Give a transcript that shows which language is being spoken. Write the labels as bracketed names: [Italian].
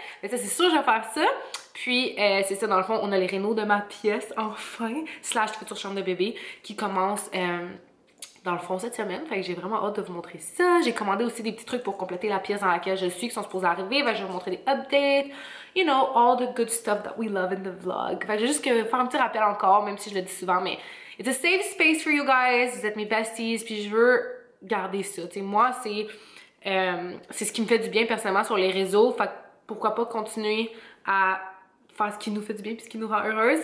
[French] Mais ça c'est sûr que je vais faire ça. Puis c'est ça, dans le fond, on a les rénaux de ma pièce, enfin, slash future chambre de bébé, qui commence dans le fond cette semaine. Fait que j'ai vraiment hâte de vous montrer ça. J'ai commandé aussi des petits trucs pour compléter la pièce dans laquelle je suis, qui sont supposés arriver. Fait que je vais vous montrer des updates. [English] You know, all the good stuff that we love in the vlog. [French] Fait que j'ai juste que faire un petit rappel encore, même si je le dis souvent, mais [English] it's a safe space for you guys. [French] Vous êtes mes besties, puis je veux garder ça. T'sais, moi, c'est ce qui me fait du bien personnellement sur les réseaux. Fait que pourquoi pas continuer à faire ce qui nous fait du bien puis ce qui nous rend heureuse.